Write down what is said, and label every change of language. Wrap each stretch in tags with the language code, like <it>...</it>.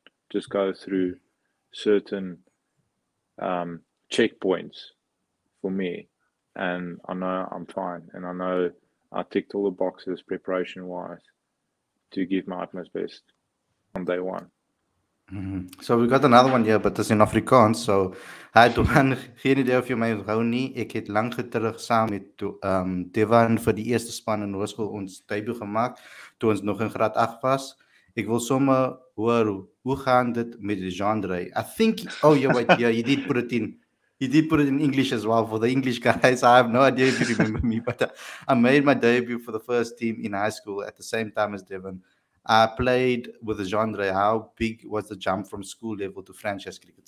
<en>Just go through certain checkpoints for me, and I know I'm fine, and I know I ticked all the boxes preparation-wise to give my utmost best on day one. So we got another one here, but it's in Afrikaans. So, hi, Duanne.</en> <af>Geen idee of jy my hou nie. Ek het lang geterug saam met Devan vir die eerste span in hoërskool ons debuut gemaak, toe ons nog in graad 8 was. Ek wil sommer hoor, hoe gaan dit met die genre?</af> <en>He did put it in English as well for the English guys. I have no idea if you remember me, but I made my debut for the first team in high school at the same time as Devan. I played with the genre. How big was the jump from school level to franchise cricket?</en>